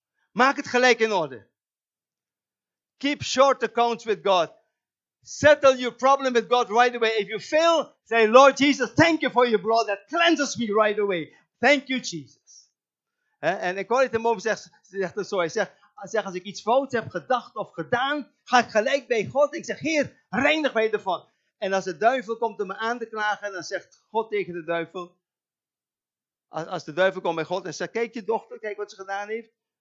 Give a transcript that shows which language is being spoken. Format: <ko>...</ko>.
<nl>Maak het gelijk in orde.</nl> <en>Keep short accounts with God. Settle your problem with God right away. If you fail, say, Lord Jesus, thank you for your blood that cleanses me right away. Thank you, Jesus.</en> <nl>En ik hoor het hem over, zegt hij zo. Hij zegt, als ik iets fout heb gedacht of gedaan, ga ik gelijk bij God. Ik zeg, Heer, reinig mij ervan. En als de duivel komt om me aan te klagen, dan zegt God tegen de duivel. Als de duivel komt bij God en zegt, kijk je dochter, kijk wat ze gedaan heeft.</nl>